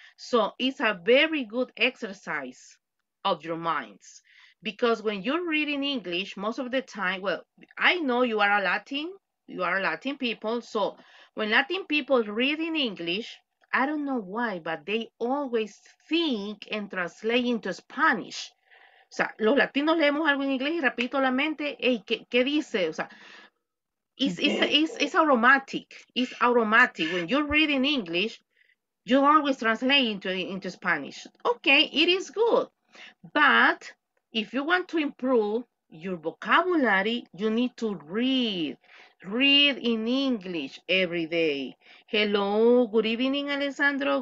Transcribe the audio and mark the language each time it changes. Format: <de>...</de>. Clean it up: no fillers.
<en>So it's a very good exercise of your minds. Because when you're reading English, most of the time, well, I know you are a Latin, you are Latin people. So when Latin people read in English, I don't know why, but they always think and translate into Spanish.</en> <es>O sea, los latinos leemos algo en inglés y rapidito la mente, hey, ¿qué dice? O sea,</es> <en>it's automatic. It's automatic. When you read in English, you always translate into Spanish. Okay, it is good. But if you want to improve your vocabulary, you need to read. Read in English every day. Hello, good evening, Alessandro.</en>